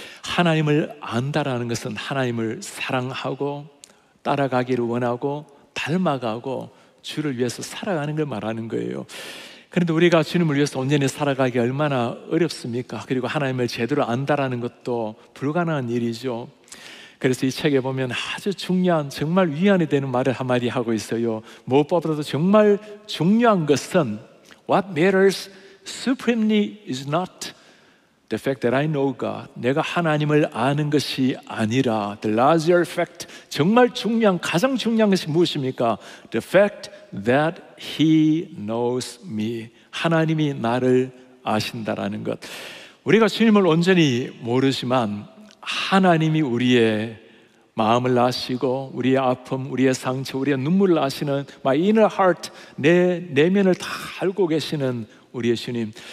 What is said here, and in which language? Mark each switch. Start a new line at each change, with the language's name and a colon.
Korean: 하나님을 안다라는 것은 하나님을 사랑하고 따라가기를 원하고 닮아가고 주를 위해서 살아가는 걸 말하는 거예요. 그런데 우리가 주님을 위해서 온전히 살아가기 얼마나 어렵습니까? 그리고 하나님을 제대로 안다라는 것도 불가능한 일이죠. 그래서 이 책에 보면 아주 중요한, 정말 위안이 되는 말을 한마디 하고 있어요. 무엇보다도 정말 중요한 것은
English: What matters supremely is not the fact that I know God.
Korean: 내가 하나님을 아는 것이 아니라
English: The larger fact,
Korean: 정말 중요한, 가장 중요한 것이 무엇입니까?
English: The fact that He knows me.
Korean: 하나님이 나를 아신다라는 것. 우리가 주님을 온전히 모르지만 하나님이 우리의 마음을 아시고 우리의 아픔, 우리의 상처, 우리의 눈물을 아시는
English: My inner heart,
Korean: 내 내면을 다 알고 계시는 우리의 주님.